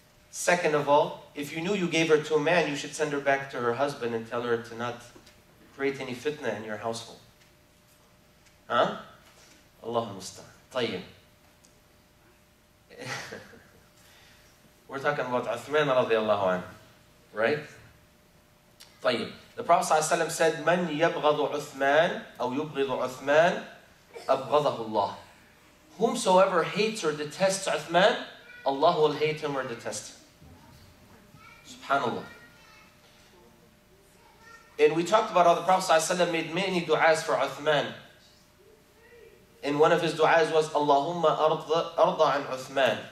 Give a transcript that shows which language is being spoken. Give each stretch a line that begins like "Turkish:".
English: Second of all, if you knew you gave her to a man, you should send her back to her husband and tell her to not create any fitna in your household. Huh? Allah al-musta'an. Tayyib. We're talking about Uthman radiallahu anhu, right?
Arabic: طيب.
English: The Prophet ﷺ said,
Arabic: من يبغض عثمان أو يبغض عثمان أبغضه الله.
English: Whomsoever hates or detests Uthman, Allah will hate him or detest him. Subhanallah. And we talked about how the Prophet ﷺ made many du'as for Uthman. And one of his du'as was, Allahumma arda an Uthman.